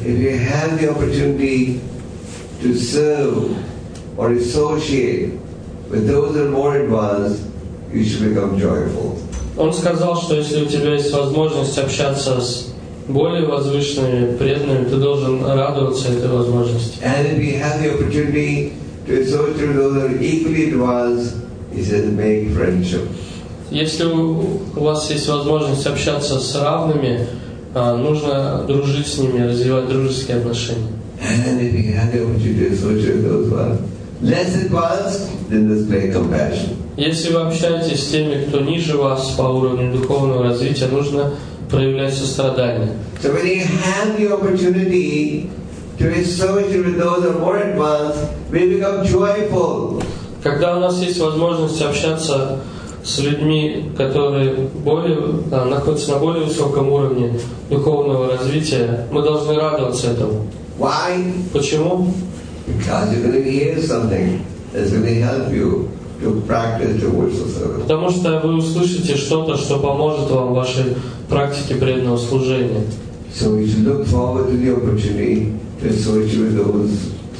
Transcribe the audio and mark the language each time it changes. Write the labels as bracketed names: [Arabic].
[English] If you have the opportunity to serve or associate with those that are more advanced, you should become joyful. [Russian] Он сказал, что если у тебя есть возможность общаться с более возвышенными преданными, ты должен радоваться этой возможности. [English] And if you have the opportunity to associate with those that are equally advanced, he says, make friendship. [Russian] Если у вас есть возможность общаться с равными, нужно дружить с ними, развивать дружеские отношения. [English] And if you have the opportunity to associate with those who are less advanced, then display compassion. [Russian] Если вы общаетесь с теми, кто ниже вас по уровню духовного развития, нужно проявлять сострадание. [English] So when you have the opportunity to associate with those who are more advanced, we become joyful. [Russian] Когда у нас есть возможность общаться с людьми, которые находятся на более высоком уровне духовного развития, мы должны радоваться этому. [English] Why? [Russian] Почему? [English] Because you're going to hear something that's going to help you to practice devotional service. [Russian] Потому что вы услышите что-то, что поможет вам в вашей практике преданного служения. [English] So you should look forward to the opportunity to switch with those.